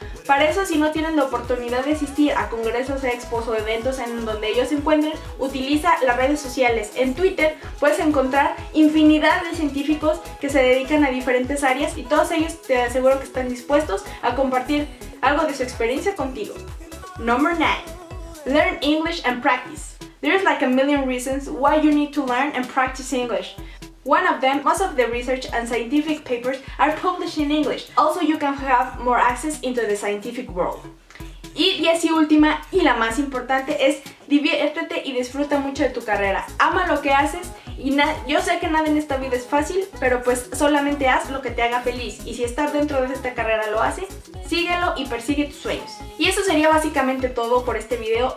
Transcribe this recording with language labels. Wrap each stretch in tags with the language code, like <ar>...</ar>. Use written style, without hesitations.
<es>Para eso, si no tienes la oportunidad de asistir a congresos, expos o eventos en donde ellos se encuentren, utiliza las redes sociales. En Twitter puedes encontrar infinidad de científicos que se dedican a diferentes áreas y todos ellos te aseguro que están dispuestos a compartir algo de su experiencia contigo. Número 9.</es> <en>Learn English and practice. There's like a million reasons why you need to learn and practice English. One of them, most of the research and scientific papers are published in English. Also, you can have more access into the scientific world.</en> <es>Y 10 y última, y la más importante, es diviértete y disfruta mucho de tu carrera. Ama lo que haces y yo sé que nada en esta vida es fácil, pero pues solamente haz lo que te haga feliz. Y si estar dentro de esta carrera lo hace, síguelo y persigue tus sueños. Y eso sería básicamente todo por este video.</es>